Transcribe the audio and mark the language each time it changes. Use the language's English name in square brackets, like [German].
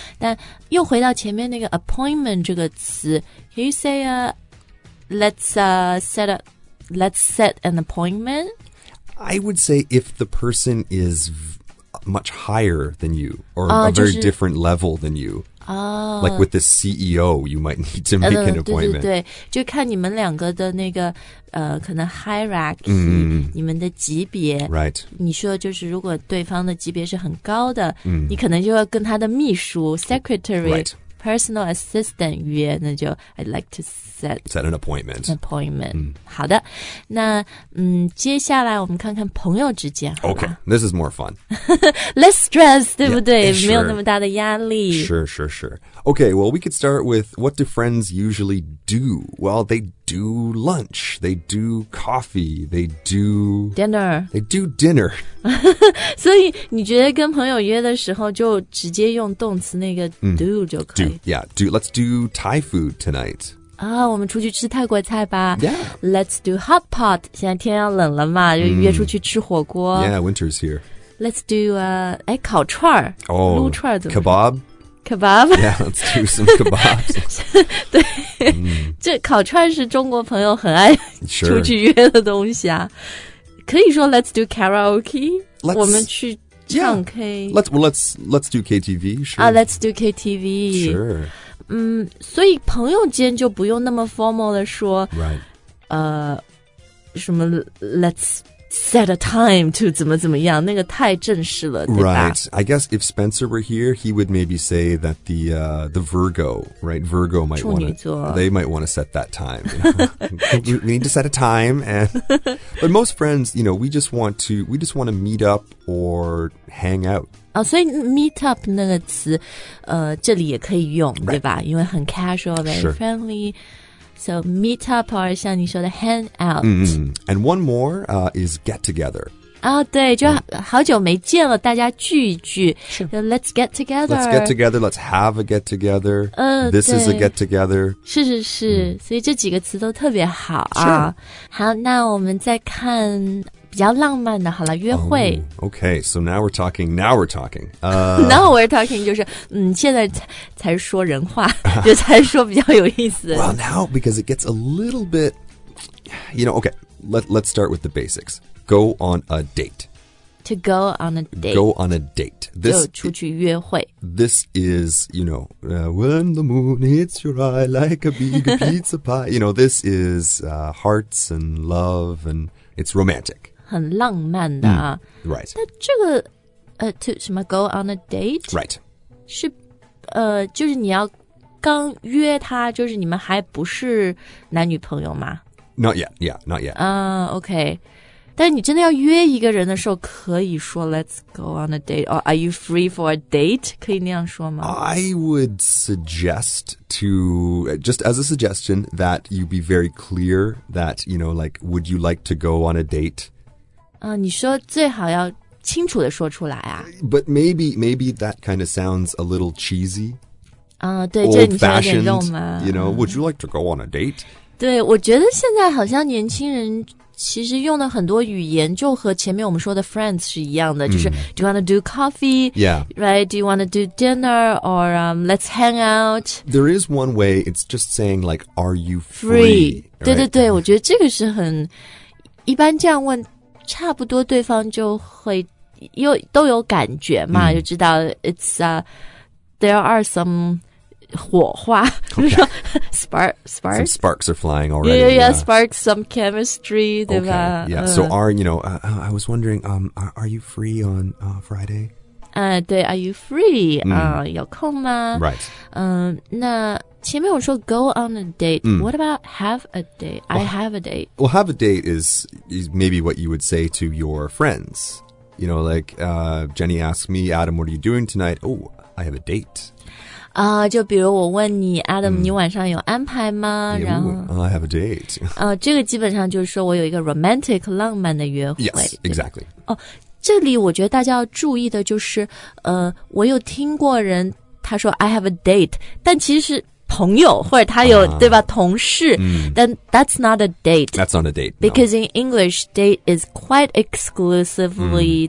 [Chinese] 但又回到前面那个 appointment 这个词 [English] Can you say, let's set an appointment? I would say if the person is much higher than you or a very different level than you,、like with the CEO, you might need to make an appointment. [Chinese] 对对对，就看你们两个的那个、可能 hierarchy,、你们的级别。 [English] Right. [Chinese] 你说就是如果对方的级别是很高的、你可能就要跟他的秘书 secretary、 [English] right. Personal assistant [Chinese] 约那就 [English] I'd like to set an appointment. [Chinese] Appointment.、好的，那接下来我们看看朋友之间。 [English] Okay, this is more fun. Less stress, [Chinese] 对不对？ [English] Yeah, sure. [Chinese] 没有那么大的压力。 [English] Sure, sure, sure. Okay, well, we could start with what do friends usually do? Well, they do lunch, they do coffee, they do dinner. They do dinner. [Chinese] 所以你觉得跟朋友约的时候就直接用动词那个 do 就可以。 [English] Let's do Thai food tonight. [Chinese] 啊，我们出去吃泰国菜吧。 [English] Yeah. Let's do hot pot. [Chinese] 现在天要冷了嘛，就约出去吃火锅。 [English] Yeah, winter's here. Let's do, 烤串儿。 Oh, [Chinese] 撸串儿怎么 [English] kebab? Kebab? Yeah, let's do some kebabs. [Chinese] 对、这烤串是中国朋友很爱出去约的东西啊。 [English] Sure. [Chinese] 可以说 [English] let's do karaoke? Let's, [Chinese] 我们去唱 K. [English] Yeah. Let's do KTV, sure. Let's do KTV. Sure. [Chinese] 所以朋友间就不用那么 formal 的说 [English] Right. [Chinese] 什么 [English] let's set a time to [Chinese] 怎么怎么样那个太正式了对吧 [English] Right. I guess if Spencer were here, he would maybe say that the Virgo, right? Virgo might want to, they might want to set that time. You know? we need to set a time. And, but most friends, you know, we just want to meet up or hang out. [Chinese] 所以 meet up 那个词这里也可以用、 [English] right. [Chinese] 对吧因为很 casual, [English] very、 sure. friendly. So meet up or [Chinese] 像你说的 [English] hang out.、 Mm-hmm. And one more is get together. [Chinese] 对就好久没见了大家聚一聚、 [English] sure. Let's get together. Let's get together, let's have a get together. This is a get together. [Chinese] 是是是、所以这几个词都特别好啊、 [English] sure. [Chinese] 好那我们再看比较浪漫的好了约会、 [English] oh, Okay, so now we're talking, now we're talking. Now we're talking [Chinese] 就是现在 才说人话就才说比较有意思。 [English] Well now, because it gets a little bit, you know, okay, let's start with the basics. Go on a date. To go on a date. Go on a date. [Chinese] This, 就出去约会 [English] This is, you know,、when the moon hits your eye like a big pizza pie. You know, this is、hearts and love and it's romantic. [Chinese] 很浪漫的啊。Mm, [English] right. [Chinese] 那这个、to 什么 [English] go on a date? Right. [Chinese] 是、就是你要刚约他就是你们还不是男女朋友吗 [English] Not yet. Yeah, not yet. Okay. [Chinese] 但你真的要约一个人的时候可以说 [English] let's go on a date, or are you free for a date? [Chinese] 可以那样说吗 [English] I would suggest to, just as a suggestion, that you be very clear that, you know, like, would you like to go on a date? [Chinese] 你说最好要清楚地说出来啊。 [English] But maybe that kind of sounds a little cheesy. [Chinese] 对，就你说有点肉麻。 [English] You know, would you like to go on a date? [Chinese] 对，我觉得现在好像年轻人其实用的很多语言就和前面我们说的 friends 是一样的、mm. 就是 [English] do you want to do coffee? Yeah. Right? Do you want to do dinner? Or、let's hang out? There is one way, it's just saying like, are you free? Free.、Right? [Chinese] 对对对我觉得这个是很一般这样问差不多对方就会又都有感觉嘛、mm. 就知道 [English] it's,、there are some... [Chinese] 火花、 [English] okay. Sparks Some sparks are flying already Yeah, yeah, yeah. sparks, some chemistry Okay, yeah, so are, you know I was wondering, are you free on Friday? [Chinese] 对 [English] are you free?、 [Chinese] Mm. 有空吗 [English] Right [Chinese] 那前面我说 go on a date、mm. [English] What about have a date? Well, I have a date Well, have a date is maybe what you would say to your friends You know, like、Jenny asked me, Adam, what are you doing tonight? Oh, I have a date [Chinese] じゃあ比如我问你 Adam、mm. 你晚上有安排吗 [English] yeah, [Chinese] 然后 [English] I have a date [Chinese] 这个基本上就是说我有一个 romantic 浪漫的约会 [English] Yes, exactly [Chinese] 这里我觉得大家要注意的就是我有听过人他说 [English] I have a date [Chinese] 但其实是朋友或者他有、对吧同事、mm. [English] Then that's not a date That's not a date Because、 no. in English date is quite exclusively、mm.